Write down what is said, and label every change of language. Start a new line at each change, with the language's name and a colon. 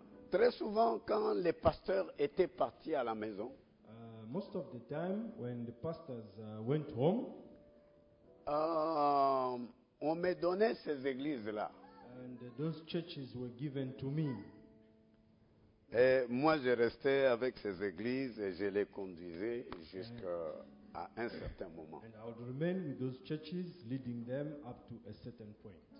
French: Très souvent, quand les pasteurs étaient partis à la maison,
English: most of the time when the pastors went home,
French: on me donnait ces églises-là.
English: And those churches were given to me.
French: Et moi, je restais avec ces églises et je les conduisais jusqu'à un certain moment.
English: And I would remain with those churches, leading them up to a certain point.